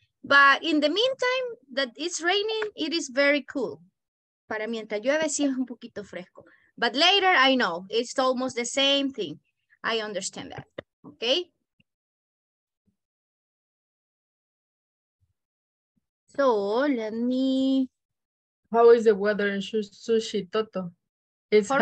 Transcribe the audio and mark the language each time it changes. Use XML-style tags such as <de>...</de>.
<en>But in the meantime, that it's raining, it is very cool.</en> <es>Para mientras llueve, sí es un poquito fresco.</es> <en>But later, I know, it's almost the same thing. I understand that. Okay? So let me. How is the weather in Sushi Toto? It's hot.</en>